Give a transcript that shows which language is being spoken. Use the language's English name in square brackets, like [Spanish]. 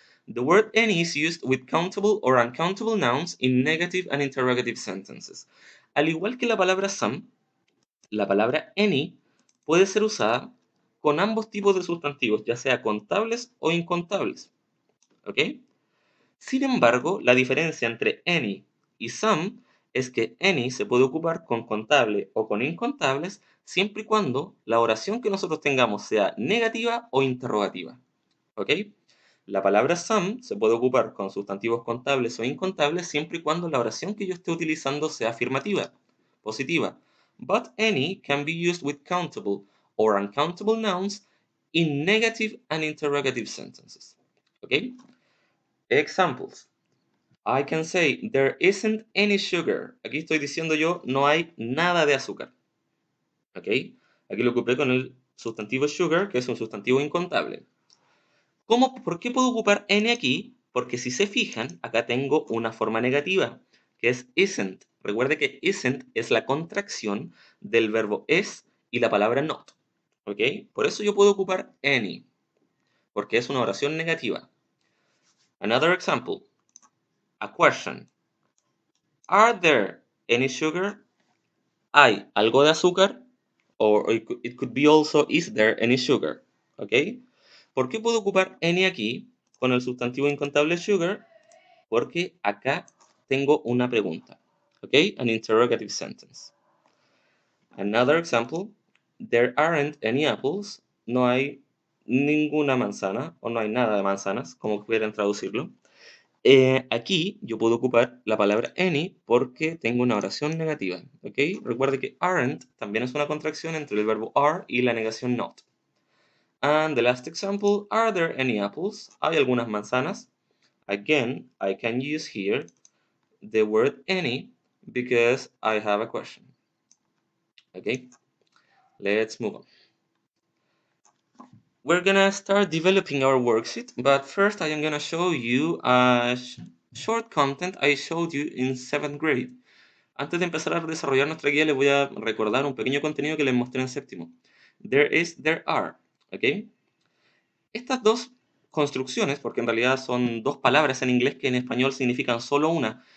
[English] The word any is used with countable or uncountable nouns in negative and interrogative sentences. [Spanish] Al igual que la palabra some, la palabra any puede ser usada con ambos tipos de sustantivos, ya sea contables o incontables. ¿Okay? Sin embargo, la diferencia entre any y some es que any se puede ocupar con contable o con incontables siempre y cuando la oración que nosotros tengamos sea negativa o interrogativa. ¿Okay? La palabra some se puede ocupar con sustantivos contables o incontables siempre y cuando la oración que yo esté utilizando sea afirmativa, positiva. [English] But any can be used with countable or uncountable nouns in negative and interrogative sentences. Okay? Examples. I can say there isn't any sugar. [Spanish] Aquí estoy diciendo yo no hay nada de azúcar. Okay? Aquí lo ocupé con el sustantivo sugar, que es un sustantivo incontable. ¿Cómo, por qué puedo ocupar any aquí? Porque si se fijan, acá tengo una forma negativa, que es isn't. Recuerde que isn't es la contracción del verbo is y la palabra not. ¿Ok? Por eso yo puedo ocupar any, porque es una oración negativa. [English] Another example. A question. Are there any sugar? [Spanish] ¿Hay algo de azúcar? [English] Or it could be also, is there any sugar? [Spanish] ¿Ok? ¿Por qué puedo ocupar any aquí con el sustantivo incontable sugar? Porque acá tengo una pregunta. ¿Ok? [English] An interrogative sentence. Another example. There aren't any apples. [Spanish] No hay ninguna manzana o no hay nada de manzanas, como quieran traducirlo. Aquí yo puedo ocupar la palabra any porque tengo una oración negativa. ¿Ok? Recuerde que aren't también es una contracción entre el verbo are y la negación not. [English] And the last example, are there any apples? [Spanish] ¿Hay algunas manzanas? [English] Again, I can use here the word any because I have a question. Okay, let's move on. We're gonna start developing our worksheet, but first I am gonna show you a short content I showed you in 7th grade. [Spanish] Antes de empezar a desarrollar nuestra guía, les voy a recordar un pequeño contenido que les mostré en séptimo. [English] There are. [Spanish] Okay. Estas dos construcciones, porque en realidad son dos palabras en inglés que en español significan solo una.